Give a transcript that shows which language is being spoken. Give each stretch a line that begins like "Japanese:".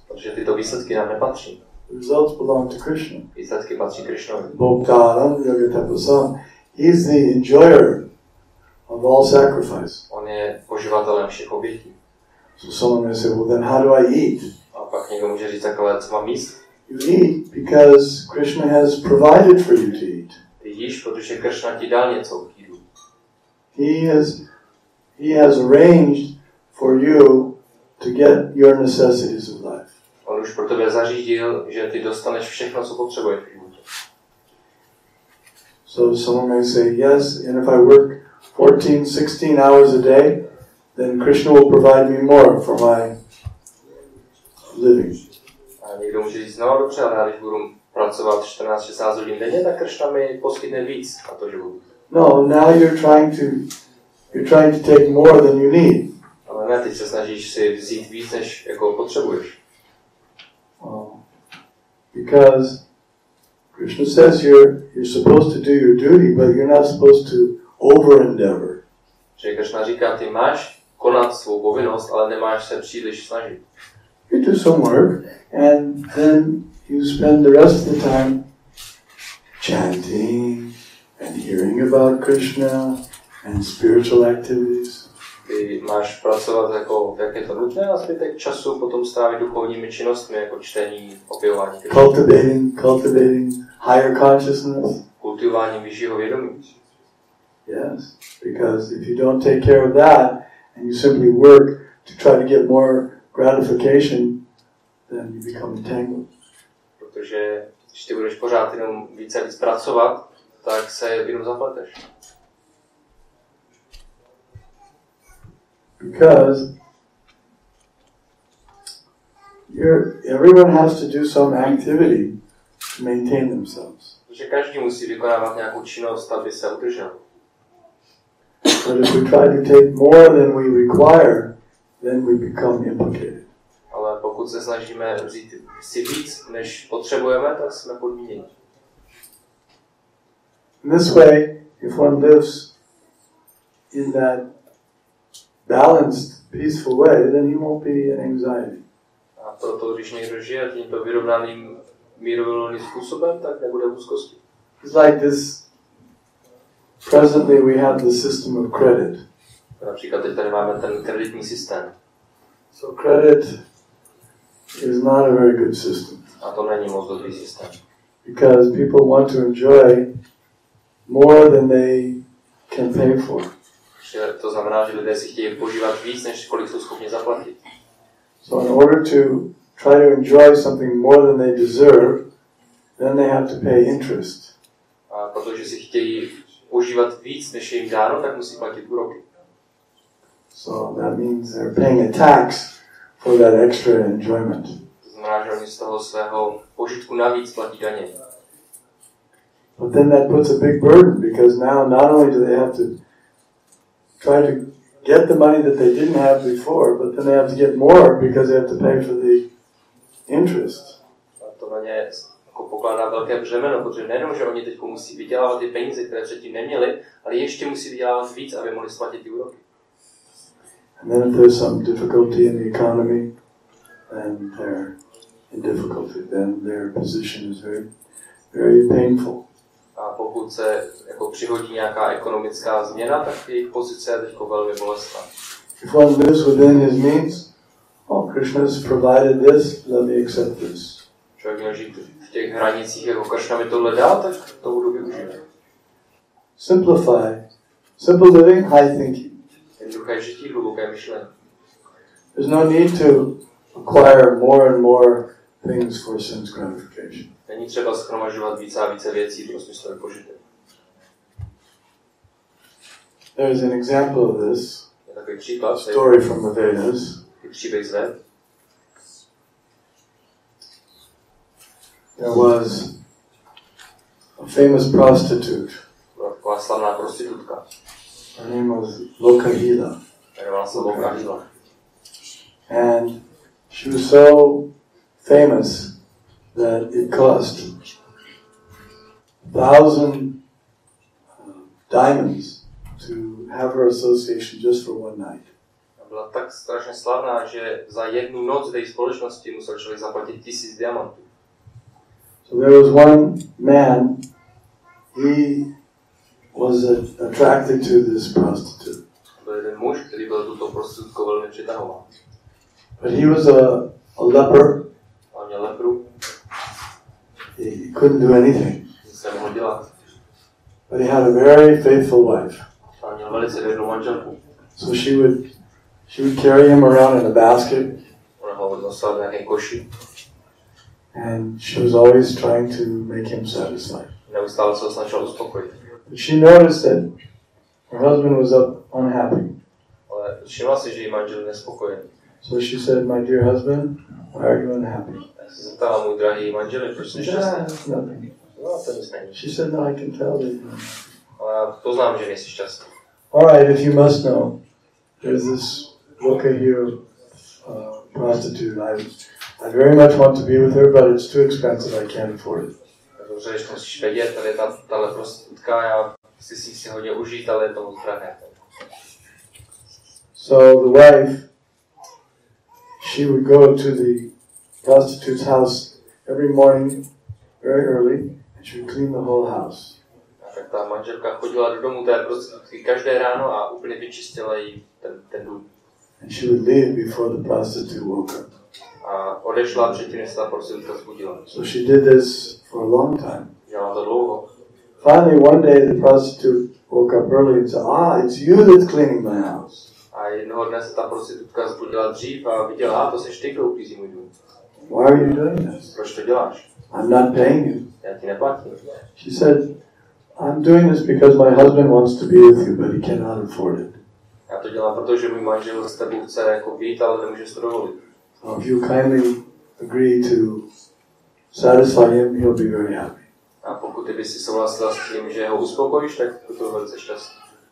Czech: Protože tyto výsledky nám nepatří.
English: The results belong to Krishna.
Czech: Výsledky patří Krishnovi.
Sanskrit: Bhogdaram yogatapasam.
English: He's the enjoyer of all sacrifice.
Czech: On je poživatelem všech obětí.
English: So someone may say, well then how do I eat?
Czech: A pak někdo může říct takhle, co mám jíst?
English: You eat because Krishna has provided for you to eat.
Czech: Ty jíš, protože Krishna ti dal něco k jídlu.
English: He has arranged for you to get your necessities of life.
Czech: On už pro tebe zařídil, že ty dostaneš všechno, co potřebuješ v životě.
English: So someone may say, yes, and if I work 14, 16 hours a day, then Krishna will provide me more for my living.
Czech: A někdo může říct, no dobře, ale když budu pracovat 14-16 hodin denně, tak Krishna mi poskytne víc a to životu.
English: No, now you're trying to You're trying to take more than you need.
Czech: Ale ne, teď se snažíš si vzít víc, než jako potřebuješ.
English: Because Krishna says here, you're supposed to do your duty, but you're not supposed to over-endeavor.
Czech: Že Krishna říká, ty máš konat svou povinnost, ale nemáš se příliš snažit.
English: You do some work, and then you spend the rest of the time chanting and hearing about Krishna and spiritual activities.
Czech: Ty máš pracovat jako, jak je to nutné, a zbytek času potom strávit duchovními činnostmi, jako čtení, objevování.
English: Cultivating higher consciousness.
Czech: Kultivování vyššího vědomí.
English: Yes, because if you don't take care of that, and you simply work to try to get more gratification, then you become entangled.
Czech: Protože když ty budeš pořád jenom více a víc pracovat, tak se jenom zapleteš.
English: Because everyone has to do some activity to maintain themselves.
Czech: Protože každý musí vykonávat nějakou činnost, aby se udržel.
English: But if we try to take more than we require, then we become implicated.
Czech: Ale pokud se snažíme vzít si víc, než potřebujeme, tak jsme podmíněni.
English: In this way, if one lives in that balanced, peaceful way, then he won't be in anxiety.
Czech: A proto, když někdo žije tímto vyrovnaným, mírovolným způsobem, tak nebude v úzkosti.
English: It's like this. Presently we have the system of credit.
Czech: Například teď tady máme ten kreditní systém.
English: So credit is not a very good system.
Czech: A to není moc dobrý systém.
English: Because people want to enjoy more than they can pay for.
Czech: To znamená, že lidé si chtějí požívat víc, než kolik jsou schopni zaplatit.
English: So in order to try to enjoy something more than they deserve, then they have to pay interest.
Czech: A protože si chtějí užívat víc, než je jim dáno, tak musí platit úroky.
English: So that means they're paying a tax for that extra enjoyment.
Czech: To znamená, že oni z toho svého požitku navíc platí daně.
English: But then that puts a big burden, because now not only do they have to try to get the money that they didn't have before, but then they have to get more because they have to pay for the interest.
Czech: A to na ně jako pokládá velké břemeno, protože nejenom, že oni teď musí vydělávat ty peníze, které předtím neměli, ale ještě musí vydělávat víc, aby mohli splatit ty úroky.
English: And then if there's some difficulty in the economy, then they're in difficulty, then their position is very, very painful.
Czech: A pokud se jako přihodí nějaká ekonomická změna, tak jejich pozice je teď velmi bolestná.
English: If one lives within his means, well, Krishna has provided this, let me accept this.
Czech: Člověk měl žít v těch hranicích, jako Krishna mi tohle dá, tak to budu využívat.
English: Simplify. Simple living, high thinking.
Czech: Jednoduché žití, hluboké myšlení.
English: There's no need to acquire more and more things for sense gratification.
Czech: Není třeba schromažovat více a více věcí pro smyslové požitek.
English: There is an example of this.
Czech: Je takový příklad.
English: Story from the Vedas.
Czech: Je příběh z Ved.
English: There was a famous prostitute.
Czech: Byla taková slavná prostitutka.
English: Her name was Lokahila.
Czech: Jmenovala se Lokahila.
English: And she was so famous that it cost 1,000 diamonds to have her association just for one night.
Czech: Byla tak strašně slavná, že za jednu noc té společnosti musel člověk zaplatit 1,000 diamantů.
English: So there was one man, he was attracted to this prostitute.
Czech: Byl jeden muž, který byl tuto prostitutku velmi přitahoval.
English: But he was a leper.
Czech: On měl lepru.
English: He couldn't do anything.
Czech: Nic nemohl dělat.
English: But he had a very faithful wife.
Czech: A měl velice věrnou manželku.
English: So she would carry him around in a basket.
Czech: Ona ho nosila v nějaké koši.
English: And she was always trying to make him satisfied.
Czech: Neustále se snažila uspokojit.
English: But she noticed that her husband was up unhappy.
Czech: Ale všimla si, že její manžel nespokojený.
English: So she said, "My dear husband, why are you unhappy?"
Czech: Se zeptala můj drahý manžel, proč jsi šťastný?
English: She said, "No, I can tell you."
Czech: Ale poznám, že nejsi šťastný.
English: All right, if you must know, there's this looker here, prostitute. I very much want to be with her, but it's too expensive. I can't afford it. So the wife, she would go to the prostitute's house every morning, very early, and she would clean the whole house.
Czech: Tak ta manželka chodila do domu té prostitutky každé ráno a úplně vyčistila jí ten dům.
English: And she would leave before the prostitute woke up.
Czech: A odešla předtím, než se ta prostitutka zbudila.
English: So she did this for a long time.
Czech: Dělala to dlouho.
English: Finally, one day the prostitute woke up early and said, "Ah, it's you that's cleaning my house."
Czech: A jednoho dne se ta prostitutka zbudila dřív a viděla, to seš ty, kdo uklízí můj dům.
English: Why are you doing this?
Czech: Proč to děláš?
English: I'm not paying you.
Czech: Já ti neplatím.
English: She said, I'm doing this because my husband wants to be with you, but he cannot afford it.
Czech: Já to dělám, protože můj manžel s tebou chce jako být, ale nemůže si to dovolit.
English: So if you kindly agree to satisfy him, he'll be very happy.
Czech: A pokud ty bys si souhlasila s tím, že ho uspokojíš, tak to bude velice šťastný.